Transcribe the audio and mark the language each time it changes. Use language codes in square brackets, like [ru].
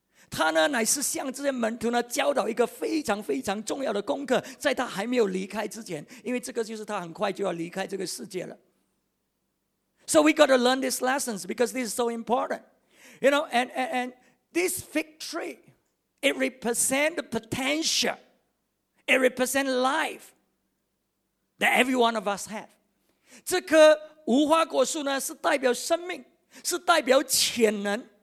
[zh] 他呢，乃是向这些门徒呢教导一个非常非常重要的功课，在他还没有离开之前，因为这个就是他很快就要离开这个世界了。 [en] So we got to learn these lessons because this is so important. You know, and this fig tree, it represents the potential. It represents life that every one of us have. [zh] 这棵无花果树呢，是代表生命，是代表潜能。